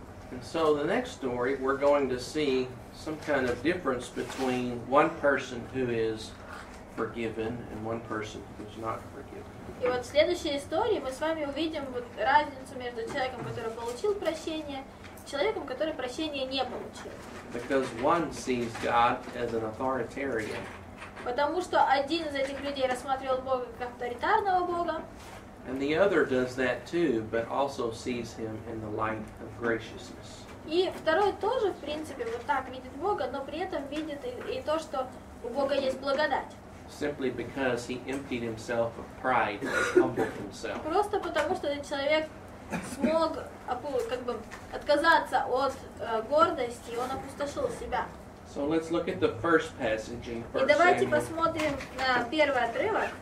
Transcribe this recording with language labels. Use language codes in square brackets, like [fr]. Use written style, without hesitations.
[en] And so the next story, we're going to see some kind of difference between one person who is forgiven and one person who is not forgiven. [ru] И вот в следующей истории мы с вами увидим вот разницу между человеком, который получил прощение, человеком, который прощение не получил. [en] Because one sees God as an authoritarian. [ru] Потому что один из этих людей рассматривал Бога как авторитарного Бога. [en] And the other does that too, but also sees him in the light of graciousness. [ru] И второй тоже, в принципе, вот так видит Бога, но при этом видит и то, что у Бога есть благодать. [en] Simply because he emptied himself of pride and humbled himself. [ru] Просто потому, что этот человек смог как бы отказаться от гордости, он опустошил себя. [en] So let's look at the first passage in 1 [ru] И давайте Samuel, посмотрим на первый отрывок.